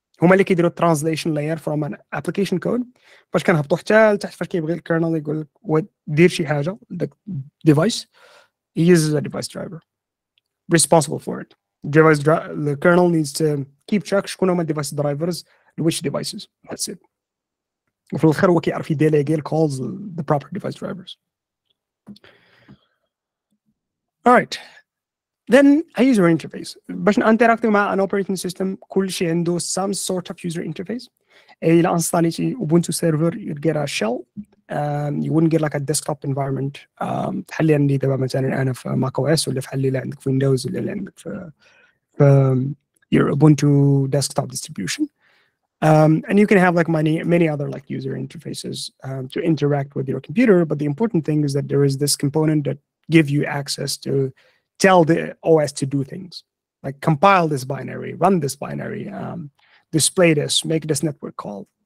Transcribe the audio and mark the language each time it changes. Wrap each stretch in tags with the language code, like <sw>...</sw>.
<ar>هما اللي كيديروا</ar> <en>translation layer from an application code</en> <ar>باش كنهبطوا حتى لتحت فاش كيبغي الكيرنل يقول لك دير شي حاجه the device.</ar> <en>He uses a device driver responsible for it. The kernel needs to keep track</en> <ar>شكون هما</ar> <en>device drivers which devices. That's it.</en> <ar>وفي الاخر هو كيعرف يديليغي</ar> <en>calls the proper device drivers. All right. Then a user interface.</en> <ar>باش انتراكتي مع</ar> <en>an operating system,</en> <ar>كل شيء عنده</ar> <en>some sort of user interface.</en> <ar>إلى انستاليتي</ar> <en>Ubuntu server, you'd get a shell. You wouldn't get like a desktop environment.</en> <ar>حلي عندي دابا مثلا أنا في ماك أو إس ولا في حلي عندك في ويندوز ولا عندك في</ar> <en>your Ubuntu desktop distribution. And you can have like many other like user interfaces to interact with your computer. But the important thing is that there is this component that give you access to tell the OS to do things, like compile this binary, run this binary, display this, make this network call.</en>